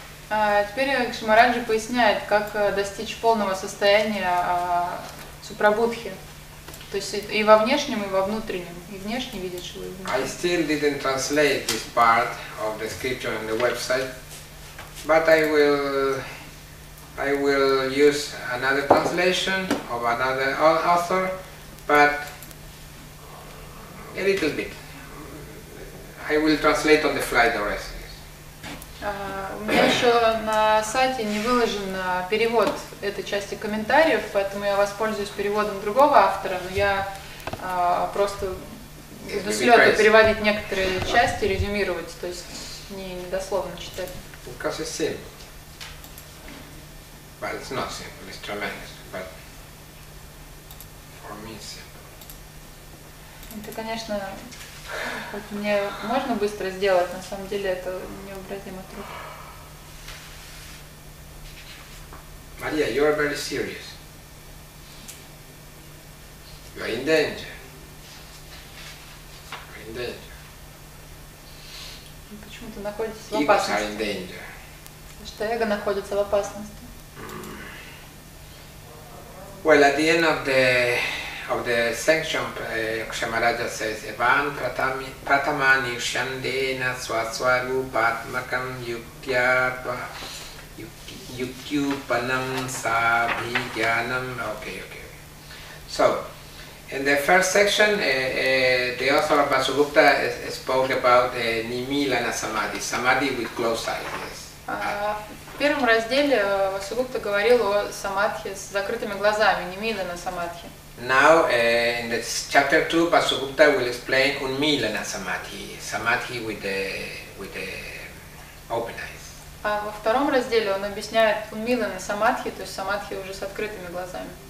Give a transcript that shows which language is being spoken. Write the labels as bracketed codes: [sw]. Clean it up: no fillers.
[ru] Теперь Кшемараджа поясняет, как достичь полного состояния Супрабудхи. То есть и во внешнем, и во внутреннем. И внешне видит живой. [en] I still didn't translate this part of the scripture on the website, but I will use another translation of another author, but a little bit. I will translate on the fly the rest. [ru] У меня еще на сайте не выложен перевод этой части комментариев, поэтому я воспользуюсь переводом другого автора, но я просто буду слёта переводить некоторые части, резюмировать, то есть не дословно читать. [en] Because it's simple. But it's not simple, it's tremendous, but for me it's simple. [ru] Это, конечно, хоть мне можно быстро сделать, на самом деле это необратимый труд. [en] Maria, you are very serious. You are in danger. You are in danger. [ru] Почему-то находитесь в опасности. [en] Egos are in danger. [ru] Потому что эго находится в опасности. [en] Well, at the end of the section, Кшемараджа says, [sa] Evan Pratamani Shandena Swaswarupatmakam Yuktyarpa. Yukyupanam sabhi jnanam. Okay. [en] So, in the first section, the author of Vasugupta spoke about Nimilana Samadhi, Samadhi with closed eyes. Yes. [ru] В первом разделе Васугупта говорил о Самадхи с закрытыми глазами, Нимилана Самадхи. [en] Now, in the chapter 2, Vasugupta will explain Unmilana Samadhi, Samadhi with the open eyes. [ru] А во втором разделе он объясняет Унмилана Самадхи, то есть Самадхи уже с открытыми глазами.